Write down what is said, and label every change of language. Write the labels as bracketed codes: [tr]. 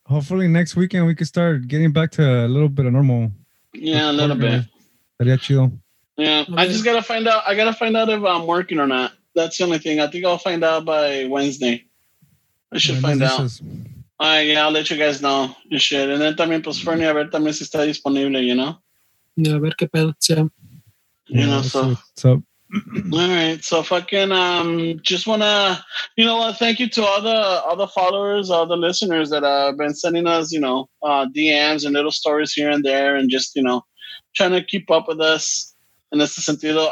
[en] hopefully next weekend we can start getting back to a little bit of normal. Yeah, a little bit. [es] Sería chido. [en] Yeah, I just gotta find out. I gotta find out if I'm working or not. That's the only thing. I think I'll find out by Wednesday. All right, yeah, I'll let you guys know. You should. And then [es] también pues Fernie, a ver también si está disponible, [en] you know. [es] Yeah, a ver qué pedo. Yeah. [en] You know, so what's up? All right, so fucking just wanna, you know what, thank you to all the followers, all the listeners that have been sending us, you know, DMs and little stories here and there, and just, you know, trying to keep up with us in [es] ese sentido.